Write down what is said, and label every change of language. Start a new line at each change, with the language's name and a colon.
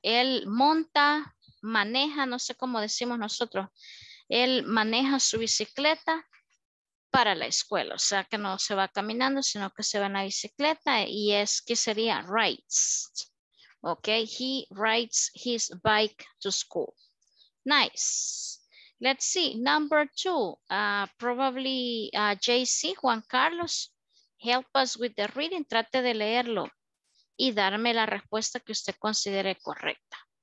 Spanish: Él monta, maneja, no sé cómo decimos nosotros, él maneja su bicicleta para la escuela, o sea que no se va caminando, sino que se va en la bicicleta y es que sería rides, ok,
English: he rides his bike to school. Nice. Let's see. Number two. Probably JC, Juan Carlos, help us with the reading.
Spanish: Trate de leerlo y darme la respuesta que usted considere correcta.